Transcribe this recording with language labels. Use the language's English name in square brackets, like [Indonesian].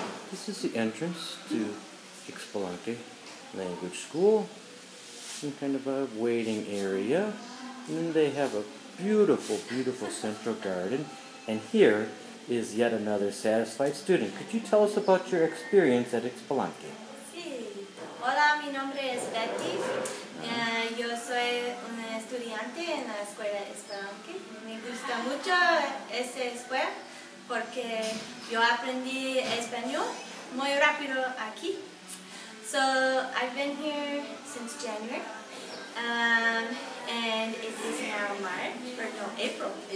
[English] This is the entrance to Ixbalanque Language School, some kind of a waiting area, and then they have a beautiful, beautiful central garden, and here is yet another satisfied student. Could you tell us about your experience at Ixbalanque? [Spanish] Sí. Hola, mi nombre es Betty. Yo soy una estudiante en la escuela Ixbalanque. Me gusta mucho esa escuela porque yo aprendí español muy rápido aquí. [English] So, I've been here since January, and it is now April.